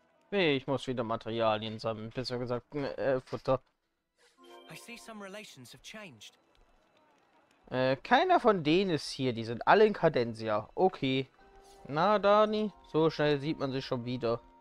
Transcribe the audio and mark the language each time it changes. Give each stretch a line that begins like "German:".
German: Nee, ich muss wieder Materialien sammeln, besser gesagt, Futter.
English: I see some relations have changed.
German: Keiner von denen ist hier, die sind alle in Cadencia. Okay. Na, Dani, so schnell sieht man sich schon wieder.